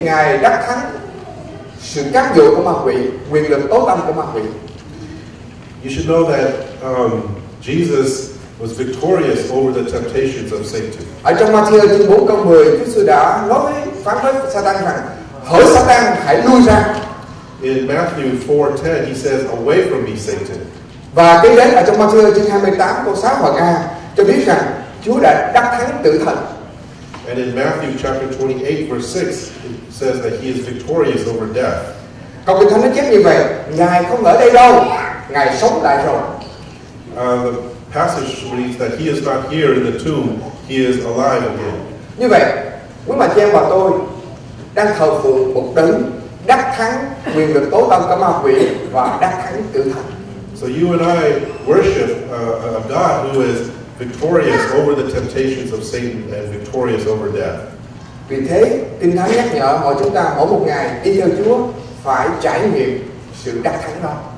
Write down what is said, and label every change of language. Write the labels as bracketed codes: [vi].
[vi] Ngài đắc thắng sự cám dỗ của ma quỷ, quyền lực tối tăm của ma quỷ. [en] You should know that Jesus was victorious over the temptations of Satan. [vi] Ở trong Ma-thi-ơ chương 4 câu 10, Chúa Giê-su đã nói phán với Sa-tan rằng: "Hỡi Sa-tan, hãy lui ra." [en] In Matthew 4:10, he says, "Away from me, Satan." [vi] Và cái đấy ở trong Ma-thi-ơ chương 28 câu 6 hoặc A cho biết rằng Chúa đã đắc thắng tử thần. [en] And in Matthew chapter 28 verse 6, it says that he is victorious over death. [vi] Còn Kinh Thánh nó chép như vậy: Ngài không ở đây đâu, Ngài sống lại rồi. [en] The passage reads that he is not here in the tomb, he is alive again. [vi] Như vậy, quý bà chị em và tôi đang thờ phượng một đấng đắc thắng quyền lực tối tăm của ma quỷ và đắc thắng tử thần. [en] So you and I worship a God who is victorious over the temptations of Satan and victorious over death. [vi] Vì thế, Kinh Thánh nhắc nhở mọi chúng ta mỗi một ngày đi theo Chúa phải trải nghiệm sự đắc thắng đó.